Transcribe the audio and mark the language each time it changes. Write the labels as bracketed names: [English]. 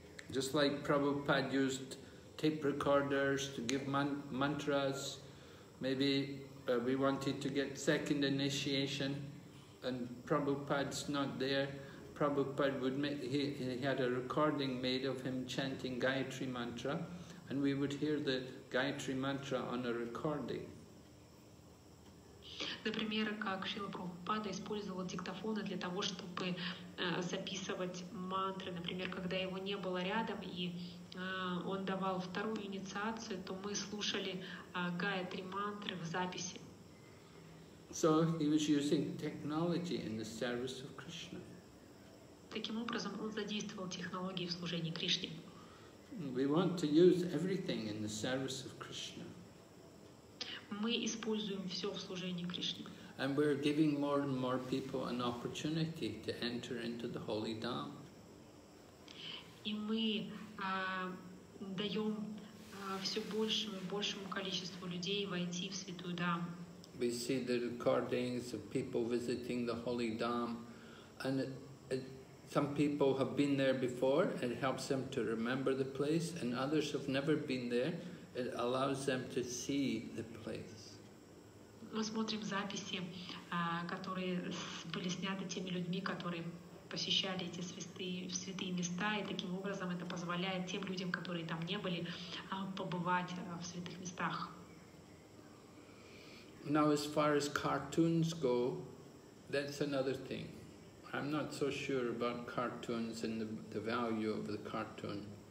[English] Just like Prabhupada used tape recorders to give mantras, maybe we wanted to get second initiation and Prabhupada's not there. Prabhupada would make, he had a recording made of him chanting Gayatri Mantra, and we would hear the Gayatri Mantra on a recording. [Russian] Например, как Шрила Прабхупада использовал диктофоны для того, чтобы записывать мантры. Например, когда его не было рядом и он давал вторую инициацию, то мы слушали Гаятри мантры в записи. [English] So he was using technology in the service of Krishna. [Russian] Таким образом, он задействовал технологии в служении Кришне. [English] We want to use everything in the service of Krishna. [Russian] Мы используем все в служении Кришне. [English] And we're giving more and more people an opportunity to enter into the holy Dham. [Russian] И мы даем все большему и большему количеству людей войти в святую Дхаму. [English] We see the recordings of people visiting the holy Dham, and some people have been there before, it helps them to remember the place, and others have never been there. It allows them to see the place. [Russian] Мы смотрим записи, которые были сняты теми людьми, которые посещали эти святые места, и таким образом это позволяет тем людям, которые там не были, побывать в святых местах. [English] Now, as far as cartoons go, that's another thing. I'm not so sure about cartoons and the value of the cartoon.